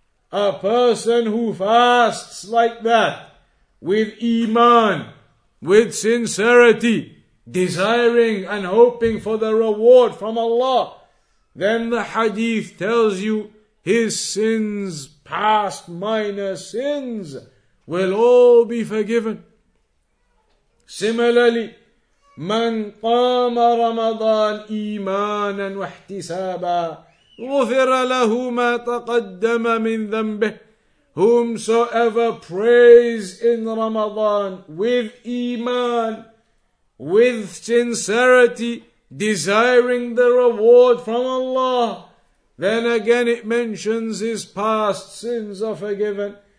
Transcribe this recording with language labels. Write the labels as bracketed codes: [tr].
[en] a person who fasts like that, with iman, with sincerity, desiring and hoping for the reward from Allah, then the hadith tells you his sins, past minor sins, will all be forgiven. [ar] Similarly, من قام رمضان إيمانا واحتسابا غفر له ما تقدم من ذنبه. [en] Whomsoever prays in Ramadan with iman, with sincerity, desiring the reward from Allah, then again it mentions his past sins are forgiven.